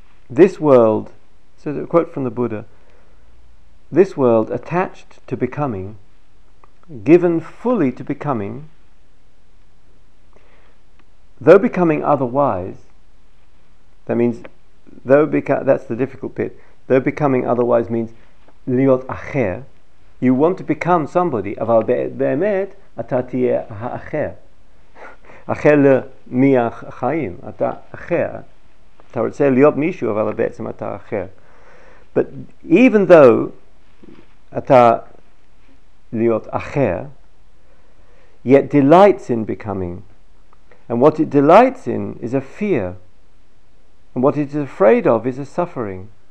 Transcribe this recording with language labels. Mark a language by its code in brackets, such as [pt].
[en] This world, so a quote from the Buddha, this world attached to becoming, given fully to becoming, though becoming otherwise, that means, that's the difficult bit, though becoming otherwise means [he] להיות אחר, [en] you want to become somebody, [he] אבל באמת אתה תהיה האחר. אחר למי החיים, אתה אחר. אתה רוצה להיות מישהו, אבל בעצם אתה אחר. [en] But even though [he] אתה להיות אחר, [en] yet delights in becoming. And what it delights in is a fear. And what it is afraid of is a suffering.